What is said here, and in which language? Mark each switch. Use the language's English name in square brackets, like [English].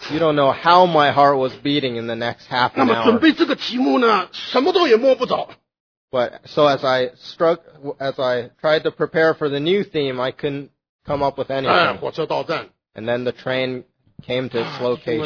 [English] You don't know how my heart was beating in the next half an hour. [Chinese] 那么准备这个题目呢,什么都也摸不着。 [English] But so as I tried to prepare for the new theme, I couldn't come up with anything. [Chinese] 哎,火车到站。 [English] And then the train came to its location.